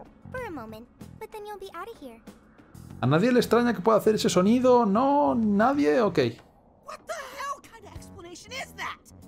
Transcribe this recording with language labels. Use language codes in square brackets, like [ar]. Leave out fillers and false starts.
[en] for a moment, but then you'll be out of here. [es] ¿A nadie le extraña que pueda hacer ese sonido? ¿No? ¿Nadie? Ok. [en] What the hell kind of explanation is that?